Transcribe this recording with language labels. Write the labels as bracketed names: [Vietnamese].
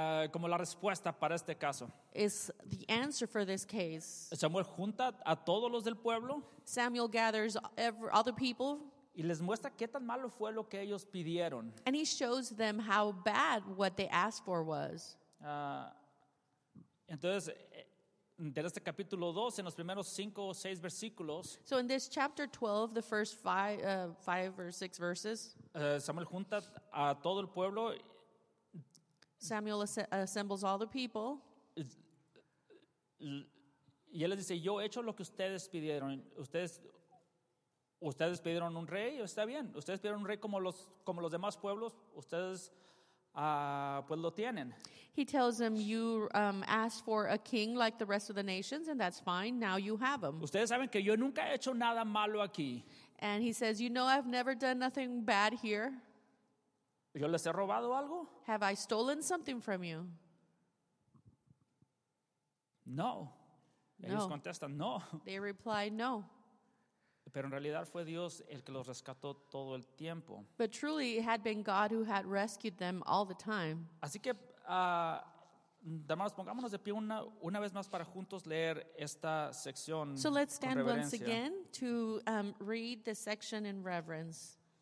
[Spanish] Como la respuesta para este caso. [English] Is the answer for this case. [Spanish] Samuel junta a todos los del pueblo. [English] Samuel gathers all the people. [Spanish] Y les muestra qué tan malo fue lo que ellos pidieron. [English] And he shows them how bad what they asked for was. [Spanish] Entonces, en este capítulo 12, en los primeros 5 o 6 versículos. [English] So in this chapter 12, the first 5 or 6 verses. [Spanish] Samuel junta a todo el pueblo. [English] Samuel assembles all the people. [Spanish] Y él les dice, yo he hecho lo que ustedes pidieron. Ustedes pidieron un rey, está bien. Ustedes pidieron un rey como los demás pueblos. Ustedes pues lo tienen. [English] He tells them, you asked for a king like the rest of the nations, and that's fine. Now you have him. [Spanish] Ustedes saben que yo nunca he hecho nada malo aquí. [English] And he says, you know, I've never done nothing bad here. [Spanish] ¿Yo les he robado algo? [English] Have I stolen something from you? [Spanish] No. Ellos contestan, no. [English] They reply, no. [Spanish] Pero en realidad fue Dios el que los rescató todo el tiempo. [English] But truly, it had been God who had rescued them all the time. [Spanish] Así que, hermanos, pongámonos de pie una vez más para juntos leer esta sección. [English] So let's stand once again to read the section in reverence.